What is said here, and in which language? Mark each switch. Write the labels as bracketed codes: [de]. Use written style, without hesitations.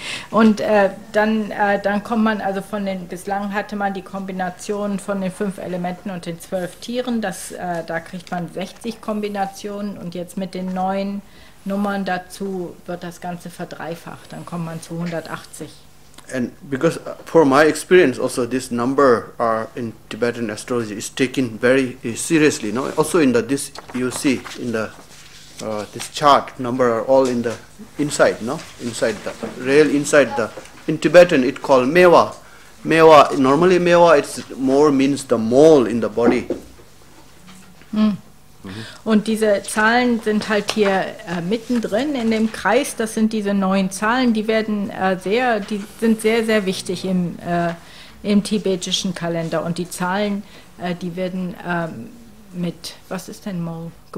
[de] Und dann kommt man also von den, bislang hatte man die Kombination von den 5 Elementen und den 12 Tieren, da kriegt man 60 Kombinationen, und jetzt mit den 9 Nummern dazu wird das Ganze verdreifacht, dann kommt man zu 180. [en] And because for my experience also this number are in Tibetan astrology is taken very seriously, no? Also in this you see in the this chart, number are all in the inside, no? Inside the real inside the, in Tibetan it called mewa. Mewa, normally mewa it's more means the mole in the body. Mm. Mm-hmm. [de] Und diese Zahlen sind halt hier mittendrin in dem Kreis, das sind diese neun Zahlen, die werden sehr wichtig im tibetischen Kalender, und die Zahlen, die werden mit, was ist denn Mal?